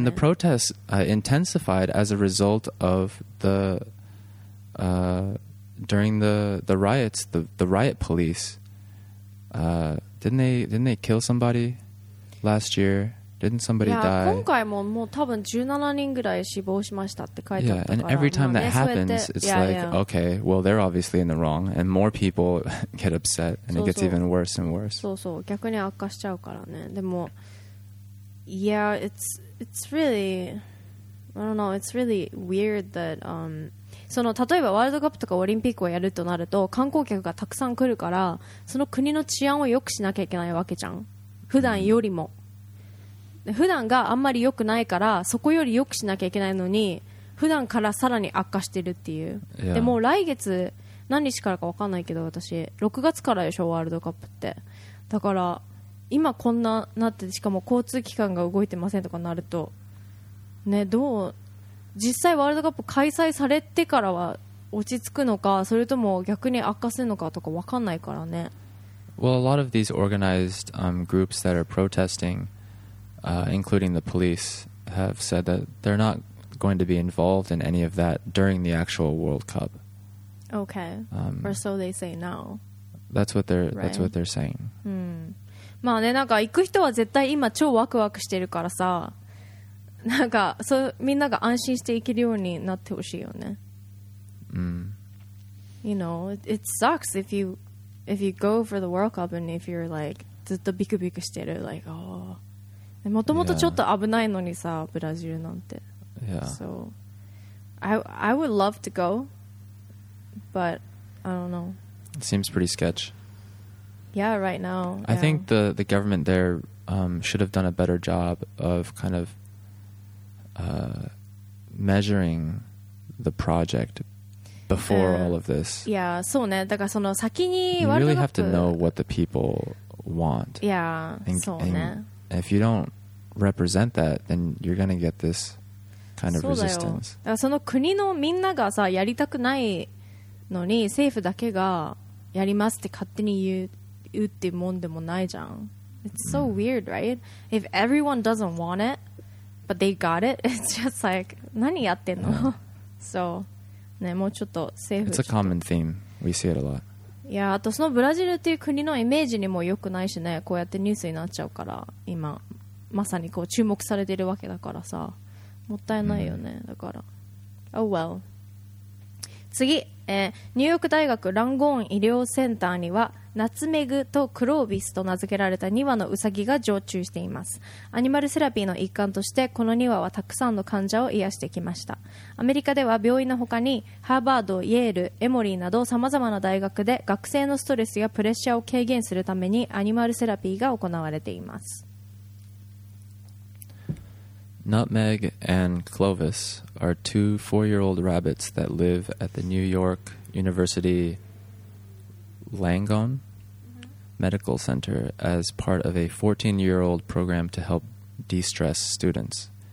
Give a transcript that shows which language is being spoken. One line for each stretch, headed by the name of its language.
English: And the protests intensified as a result of the during the riots, the riot police didn't they kill somebody last year? Didn't somebody die?
Japanese: 今回ももう多分17人ぐらい死亡しましたって書いてあったから。
English: Yeah, and every time that happens, it's like, okay, well, they're obviously in the wrong, and more people get upset, and it gets even worse and worse.
Japanese: そうそう、逆に悪化しちゃうからね。でも、
English: yeah, it's really, I don't know, it's really weird that,
Japanese: その例えばワールドカップとかオリンピックをやるとなると、観光客がたくさん来るから、その国の治安を良くしなきゃいけないわけじゃん。普段よりも。Mm-hmm. 普段があんまり良くないからそこより良くしなきゃいけないのに普段からさらに悪化してるっていう、
English: yeah.
Japanese: でもう来月何日からか分かんないけど私6月からでしょワールドカップってだから今こんななってしかも交通機関が動いてませんとかなるとねどう実際ワールドカップ開催されてからは落ち着くのかそれとも逆に悪化するのかとか分かんないからね
English: Well a lot of these organized groups that are protestingIncluding the police have said that they're not going to be involved in any of that during the actual World Cup. Okay. Or so they say now. That's what they're saying.
Japanese: まあね、なんか行く人は絶対今超ワクワクしてるからさ、なんかそうみんなが安心して行けるようになってほしいよね。
English: You know, it sucks if you go for the World Cup and if you're like
Japanese: ずっとビクビクしてる
English: like oh.
Japanese: もともとちょっと危ないのにさ、ブラジルなんて。
English: Yeah. So, I would love to go, but I don't know. It seems pretty sketch. Yeah, right now. I think the government there should have done a better job of kind of measuring the project before all of this.
Japanese: Yeah, そうね。だからその先に
English: You really have to know what the people want.
Japanese: Yeah, そうね。
English: If you don't represent that, then you're going to get this kind of resistance.
Japanese: だからその国のみんながさやりたくないのに政府だけがやりますって勝手に言うってもんでもないじゃん。
English: It's so weird, right? If everyone doesn't want it, but they got it, it's just like,
Japanese: 何やってんの? So, ね、もうちょっと政府。
English: It's a common theme. We see it a lot.
Japanese: いやあとそのブラジルっていう国のイメージにも良くないしねこうやってニュースになっちゃうから今まさにこう注目されてるわけだからさもったいないよね、うん、だから
English: Oh well
Japanese: 次、ニューヨーク大学ランゴーン医療センターにはナツメグとクロービスと名付けられた2羽のウサギが常駐しています。アニマルセラピーの一環としてこの2羽はたくさんの患者を癒してきました。アメリカでは病院の他にハーバード、イェール、エモリーなどさまざまな大学で学生のストレスやプレッシャーを軽減するためにアニマルセラピーが行われています。
English: Nutmeg and Clovis are two four-year-old rabbits that live at the New York UniversityLangone Medical Center as part of a 14-year-old program to help de-stress students.